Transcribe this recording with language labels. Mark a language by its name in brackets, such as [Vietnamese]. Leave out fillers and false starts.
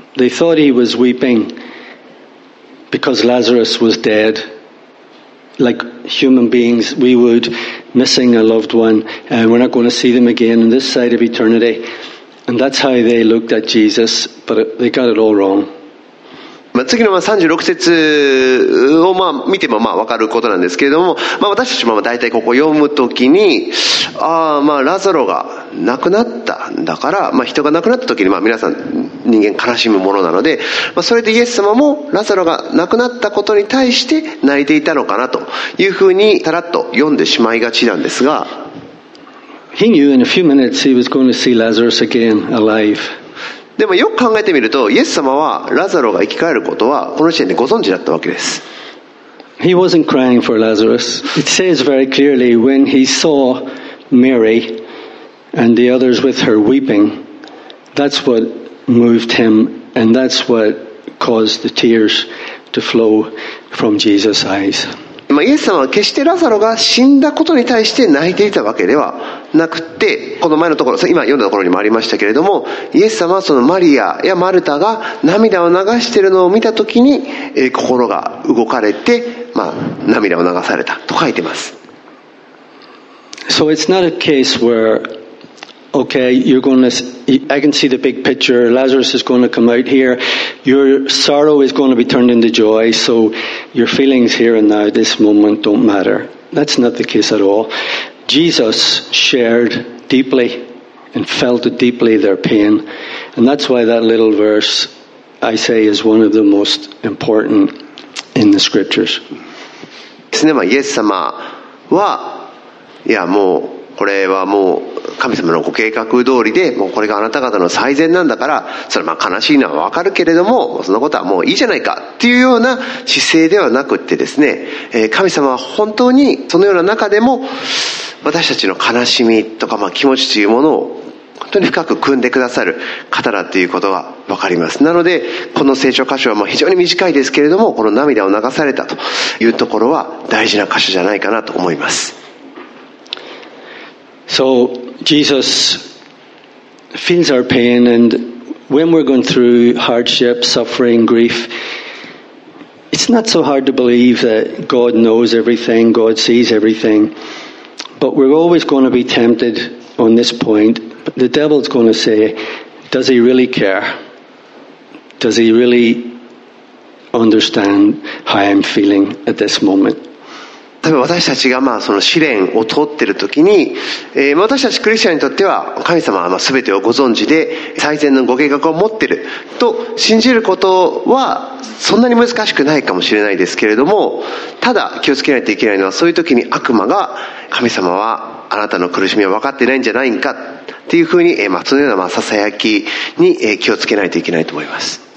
[English] They thought he was weeping because Lazarus was dead. Like human beings, we would, missing a loved one, and we're not going to see them again on this side of eternity. And that's how they looked at Jesus, but they got it all wrong. [Japanese] まあ、次のまあ36節をまあ見てもまあ分かることなんですけれども、まあ私たちも大体ここ読むときに、ああまあラザロが亡くなった、だからまあ人が亡くなったときにまあ皆さん人間悲しむものなので、まあそれでイエス様もラザロが亡くなったことに対して泣いていたのかなというふうにたらっと読んでしまいがちなんですが、 [English] He knew in a few minutes he was going to see Lazarus again alive. [Japanese] でもよく考えてみると、イエス様はラザロが生き返ることはこの時点でご存知だったわけです。 [English] He wasn't crying for Lazarus. It says very clearly when he saw Mary and the others with her weeping, that's what moved him and that's what caused the tears to flow from Jesus' eyes. [Japanese] まあ、イエス様は決してラザロが死んだことに対して泣いていたわけではなくて、この前のところ、今読んだところにもありましたけれども、イエス様はそのマリアやマルタが涙を流しているのを見たときに、心が動かれて、まあ、涙を流されたと書いてます。 [English] So it's not a case where okay, you're going to see, I can see the big picture. Lazarus is going to come out here. Your sorrow is going to be turned into joy. So your feelings here and now, this moment, don't matter. That's not the case at all. Jesus shared deeply and felt deeply their pain. And that's why that little verse, I say, is one of the most important in the scriptures. [Japanese] ですね、まあ、イエス様は、いや、もう、これはもう神様のご計画通りで、もうこれがあなた方の最善なんだから、それまあ悲しいのはわかるけれども、そのことはもういいじゃないかっていうような姿勢ではなくってですね、神様は本当にそのような中でも私たちの悲しみとかまあ気持ちというものを本当に深く汲んでくださる方だということがわかります。なので、この聖書箇所はまあ非常に短いですけれども、この涙を流されたというところは大事な箇所じゃないかなと思います。 [English] So Jesus feels our pain, and when we're going through hardship, suffering, grief, it's not so hard to believe that God knows everything, God sees everything, but we're always going to be tempted on this point. The devil's going to say, does he really care? Does he really understand how I'm feeling at this moment? [Japanese] 多分私たちがまあその試練を通っているときに、私たちクリスチャンにとっては神様はまあ全てをご存知で最善のご計画を持っていると信じることはそんなに難しくないかもしれないですけれども、ただ気をつけないといけないのは、そういうときに悪魔が神様はあなたの苦しみを分かってないんじゃないかっていうふうに、まあそのようなまあささやきに気をつけないといけないと思います。